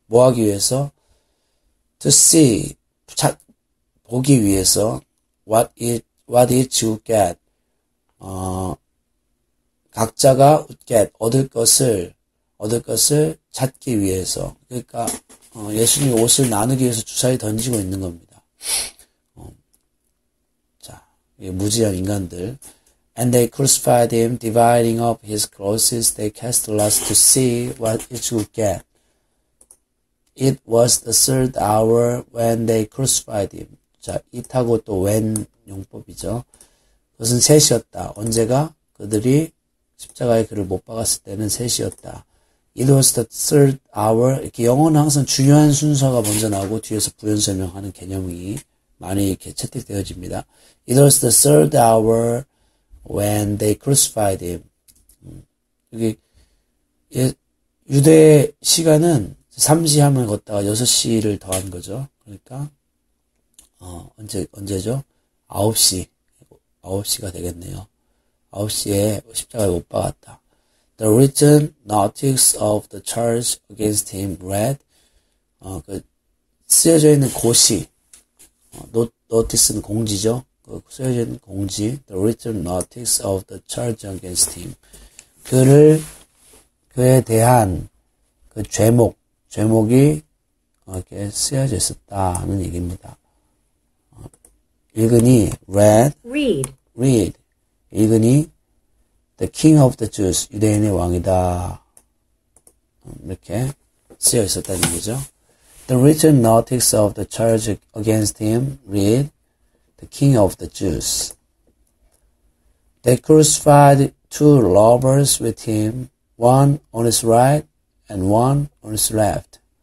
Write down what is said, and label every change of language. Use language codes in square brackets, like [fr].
[ko] 뭐 하기 위해서? [en] To see, [ko] 보기 위해서 [en] what each would get. [ko] 각자가 얻을 것을 찾기 위해서. 그러니까 예수님이 옷을 나누기 위해서 주사위 던지고 있는 겁니다. 자, 이게 무지한 인간들. [en] And they crucified him, dividing up his clothes. They cast lots to see what each would get. It was the third hour when they crucified him. [ko] 자, [en] it [ko] 하고 또 [en] when [ko] 용법이죠. 그것은 셋이었다. 언제가? 그들이 십자가에 그를 못 박았을 때는 셋이었다. [en] It was the third hour. [ko] 이렇게 영어는 항상 중요한 순서가 먼저 나오고 뒤에서 부연 설명하는 개념이 많이 이렇게 채택되어집니다. [en] It was the third hour when they crucified him. [ko] 여기 유대 시간은 3시함을 걷다가 6시를 더한 거죠. 그러니까 언제죠? 9시가 되겠네요. 9시에 십자가에 못 박았다. [en] The written notice of the charge against him read, [ko] 그 쓰여져 있는 고시, [en] notice는 [ko] 공지죠. 그 쓰여져 있는 공지, [en] the written notice of the charge against him. [ko] 그에 대한 그 죄목이 이렇게 쓰여져 있었다는 얘기입니다. 읽으니, [en] read. [ko] 읽으니, [en] The king of the Jews, [ko] 유대인의 왕이다. 이렇게 쓰여 있었다는 얘기죠. [en] The written notice of the charge against him, read, The king of the Jews. They crucified two robbers with him, one on his right and one on his left.